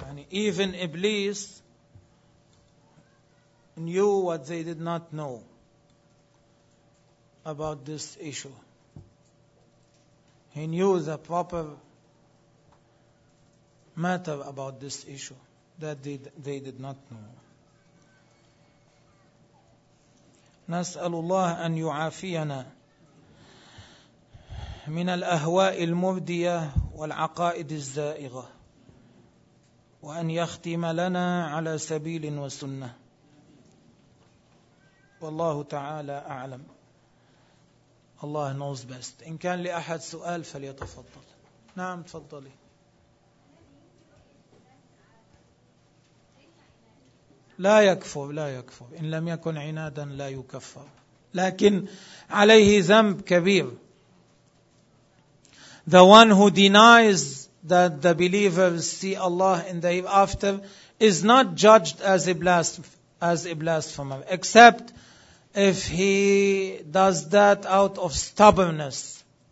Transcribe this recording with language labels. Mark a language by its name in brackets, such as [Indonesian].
[English] Even Iblis knew what they did not know about this issue. He knew the proper matter about this issue that they did not know. [Arabic] نسأل الله أن يعافينا من الأهواء المبدية والعقائد الزائغة، وأن يختم لنا على سبيل وسنة، والله تعالى أعلم. [English] الله knows best. [Arabic] إن كان لأحد سؤال فليتفضل. نعم تفضلي. لا يكفر، لا يكفر، إن لم يكن عنادا لا يكفر، لكن عليه ذنب كبير. [English] The one who denies that the believers see Allah in the hereafter is not judged as a blasphemer, except if he does that out of stubbornness.